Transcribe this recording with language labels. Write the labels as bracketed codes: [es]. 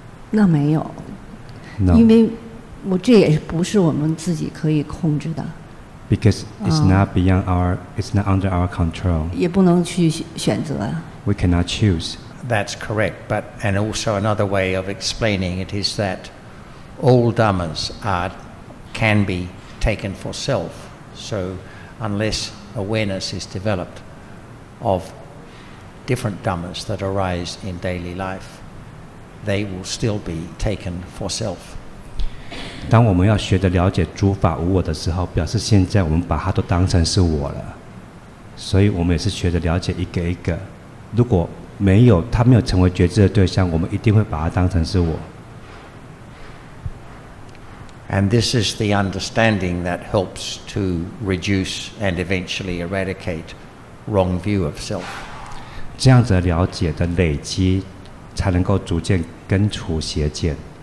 [zh] 那没有， [en] no. [zh] 因为我这也不是我们自己可以控制的。 [en] Because it's not beyond our, it's not under our control. [zh] 也不能去选择。 [en] We cannot choose. That's correct. But and also another way of explaining it is that all dhammas can be taken for self. So unless awareness is developed of different dhammas that arise in daily life, they will still be taken for self. [zh] 当我们要学着了解诸法无我的时候，表示现在我们把它都当成是我了，所以我们也是学着了解一个一个，如果没有它没有成为觉知的对象，我们一定会把它当成是我。 [en] And this is the understanding that helps to reduce and eventually eradicate wrong view of self. [zh] 这样子的了解的累积才能够逐渐根除邪见。